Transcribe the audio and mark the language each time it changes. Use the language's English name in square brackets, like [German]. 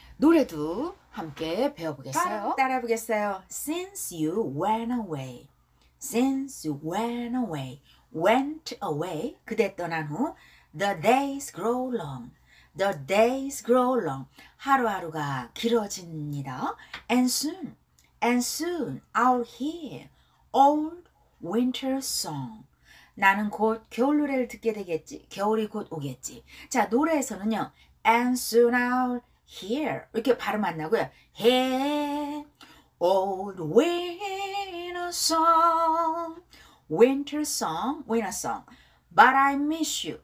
[Korean] 노래도 함께 배워보겠어요? 따라해보겠어요. [English] Since you went away. Since you went away. Went away. [Korean] 그대 떠난 후. [English] The days grow long. The days grow long. [Korean] 하루하루가 길어집니다. [English] And soon I'll hear old winter song. [Korean] 나는 곧 겨울 노래를 듣게 되겠지. 겨울이 곧 오겠지. 자, 노래에서는요. [English] And soon I'll hear. [Korean] 이렇게 발음 안 나고요. [English] Hear old winter song. Winter song. Winter song. But I miss you.